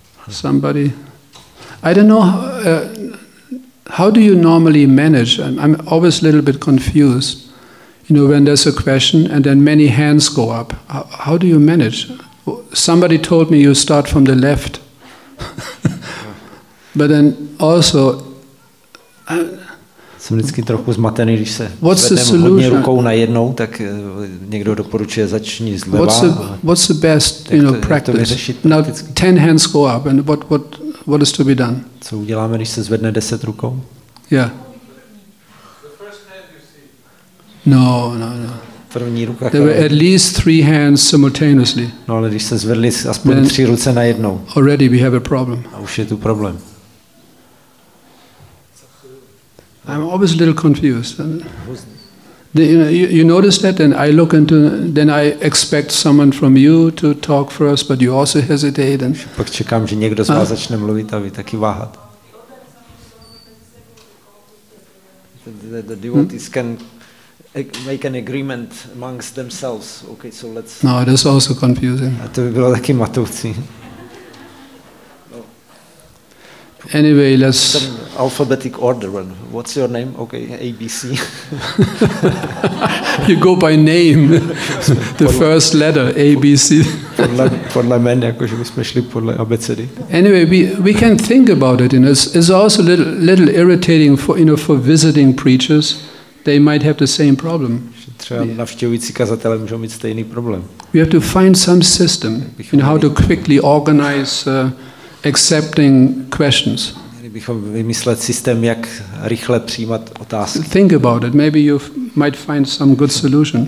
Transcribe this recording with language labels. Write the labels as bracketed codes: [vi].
[en] Somebody, I don't know, how do you normally manage, I'm always a little bit confused, You know, when there's a question and then many hands go up, how do you manage? Somebody told me you start from the left. But then also, [cs] jsem vždycky trochu zmatený, když se zvednem hodně rukou najednou, tak někdo doporučuje začni zleva. [en] What's the best, you know, practice? Now, 10 hands go up, and what is to be done? [cs] Co uděláme, když se zvedne 10 rukou? [en] Yeah. [cs] No. První ruka. [en] There were at least 3 hands simultaneously. [cs] No, ale když se zvedly aspoň 3 ruce najednou. [en] Already we have a problem. [cs] A už je tu problém. [en] I'm always a little confused. You notice that, and I look into, then I expect someone from you to talk first, but you also hesitate. And [cs] pak čekám, že někdo z vás začne mluvit, a vy taky váhat. [en] The devotees can make an agreement amongst themselves. Okay, so let's. No, that's also confusing. [cs] A to by bylo taky matoucí. [en] Anyway, let's some alphabetic order. What's your name? Okay, A, B, C. You go by name. The first letter, A, B, C. [cs] Podle jmen, jakože bychom šli podle abecedy. [en] Anyway, we can think about it. You know, it's also a little irritating for, you know, for visiting preachers. They might have the same problem. [cs] Třeba navštěvující kazatelé můžou mít stejný problém. [en] We have to find some system in how to quickly organize accepting questions. [cs] Měli bychom vymyslet systém, jak rychle přijímat otázky. [en] Think about it. Maybe you might find some good solution.